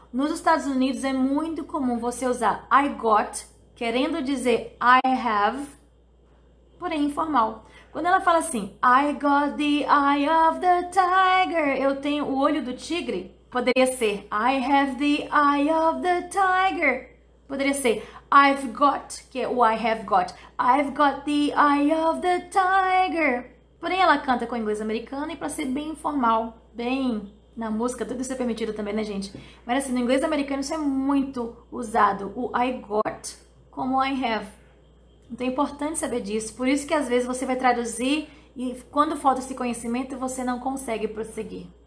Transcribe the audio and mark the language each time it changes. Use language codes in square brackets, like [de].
[pt] Nos Estados Unidos é muito comum você usar [en] I got, [pt] querendo dizer [en] I have, [pt] porém informal. Quando ela fala assim, [en] I got the eye of the tiger, [pt] eu tenho o olho do tigre, poderia ser [en] I have the eye of the tiger. [pt] Poderia ser [en] I've got, [pt] que é o [en] I have got. I've got the eye of the tiger. [pt] Porém ela canta com inglês americano e para ser bem informal, bem. Na música, tudo isso é permitido também, né, gente? Mas assim, no inglês americano isso é muito usado, o [en] I got [pt] como [en] I have. [pt] Então é importante saber disso. Por isso que às vezes você vai traduzir e quando falta esse conhecimento você não consegue prosseguir.